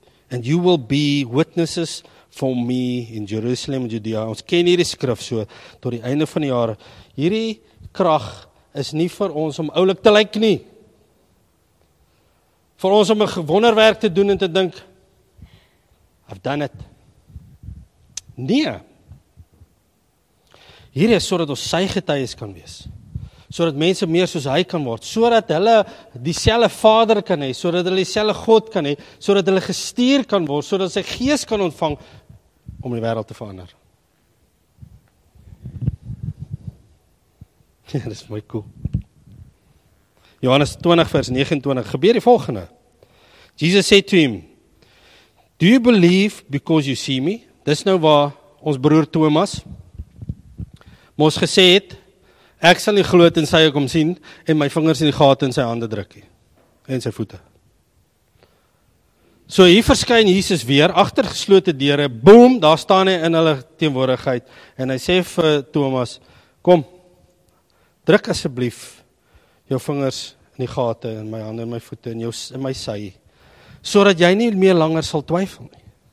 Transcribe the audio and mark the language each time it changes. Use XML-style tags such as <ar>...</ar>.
<en>And you will be witnesses for me in Jerusalem, Judea.</en> <af>Ons ken hierdie skrif so, tot die einde van die jaar. Hierdie krag is nie vir ons om oulik te lyk nie. Vir ons om 'n wonderwerk te doen en te dink,</af> <en>I've done it.</en> <af>Nee. Hier is sodat ons sy getuies kan wees. Sodat mense meer soos hy kan word. Sodat hulle dieselfde Vader kan hê. Sodat hulle dieselfde God kan hê. Sodat hulle gestuur kan word. Sodat sy Gees kan ontvang om die wêreld te verander. Ja, dis mooi cool. Johannes 20 vers 29, gebeur die volgende. Jesus sê toe hom,</af> <en>Do you believe because you see me?</en> <af>Dis nou waar ons broer Thomas mos gesê het, ek sal nie glo en sy kom sien en my vingers in die gate in sy hande druk nie en sy voete. So hier verskyn Jesus weer, agter geslote deure, boom, daar staan hy in hulle teenwoordigheid en hy sê vir Thomas, kom, druk asseblief jou vingers in die gate en my hande en my voete en jou in my sy, sodat jy nie meer langer sal twyfel nie.</af>